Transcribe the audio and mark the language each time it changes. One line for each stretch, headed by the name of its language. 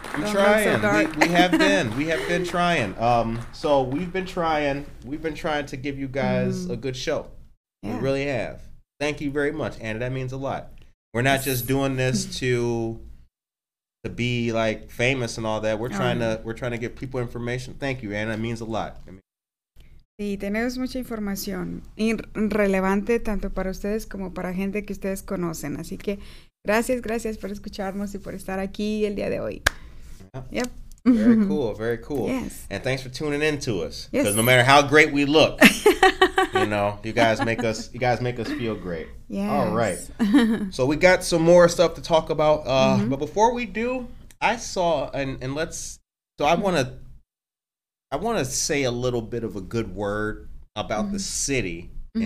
English: I'm trying. So dark. We have been. We have been trying. So we've been trying. We've been trying to give you guys a good show. Yeah. We really have. Thank you very much, Anna. That means a lot. We're not just doing this to be like famous and all that. We're trying to give people information. Thank you, Anna. It means a lot.
Spanish: Sí, tenemos mucha información relevante tanto para ustedes como para gente que ustedes conocen. Así que gracias por escucharnos y por estar aquí el día de hoy.
English: Yep. Very cool. Yes. And thanks for tuning in to us. Yes. Because no matter how great we look, you know, you guys make us feel great. Yes. All right. So we got some more stuff to talk about. Mm-hmm. But before we do, I saw, I want to say a little bit of a good word about mm-hmm. the city. Mm-hmm.